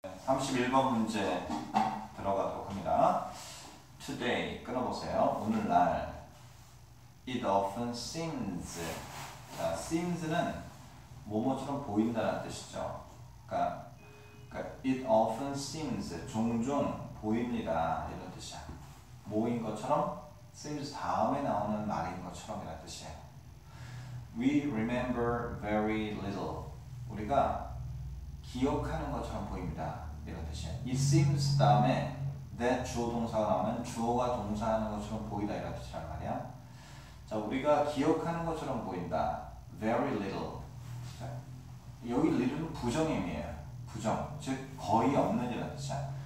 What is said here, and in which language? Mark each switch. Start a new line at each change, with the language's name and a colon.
Korean: 31번 문제 들어가도록 합니다. Today 끊어보세요.
English: 오늘날 It often seems.
Korean: 자, seems는 뭐뭐처럼 보인다는 뜻이죠.
English: 그러니까 It often seems.
Korean: 종종 보입니다. 이런 뜻이야. 뭐인 것처럼 seems 다음에 나오는 말인 것처럼 이란 뜻이에요.
English: We remember very little.
Korean: 우리가 기억하는 것처럼 보입니다. 이런 뜻이에요. It seems 다음에 that 주어동사가 나오면 주어가 동사하는 것처럼 보이다 이런 뜻이란 말이야. 자, 우리가 기억하는 것처럼 보인다.
English: Very little.
Korean: 자, 여기 little은 부정의 의미예요. 부정, 즉 거의 없는 이란 뜻이야.